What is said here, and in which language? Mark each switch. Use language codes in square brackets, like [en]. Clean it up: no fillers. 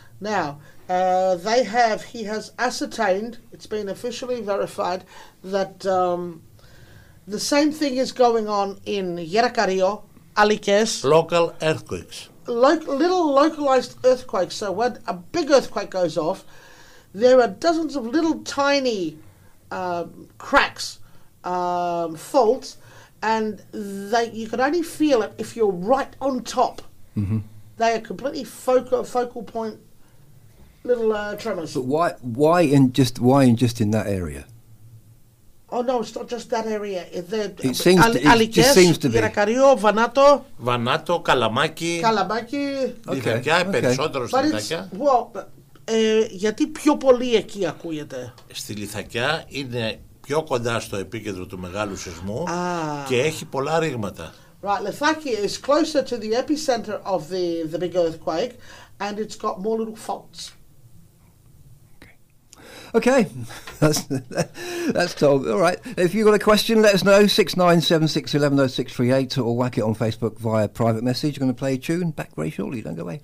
[en] Now, he has ascertained, it's been officially verified, that... the same thing is going on in Γερακαρίο, Αλικές. Local earthquakes. Little localized earthquakes. So when a big earthquake goes off, there are dozens of little tiny cracks, faults, and you can only feel it if you're right on top. Mm-hmm. They are completely focal point little tremors. But why in that area? Oh no, it's not just that area. It seems to be. [el] Γερακαρίο, Βανάτο. Βανάτο, Καλαμάκι. Καλαμάκι. Λιθακιά, περισσότερο στη Λιθακιά. Γιατί πιο πολύ εκεί ακούγεται? Στη Λιθακιά είναι πιο κοντά στο επίκεντρο του μεγάλου σεισμού και έχει πολλά ρήγματα. [en] Right, Λιθάκι is closer to the epicenter of the big earthquake and it's got more little faults. Okay, that's told. All right. If you've got a question, let us know. 6976110638 or whack it on Facebook via private message. You're going to play a tune. Back very shortly. Don't go away.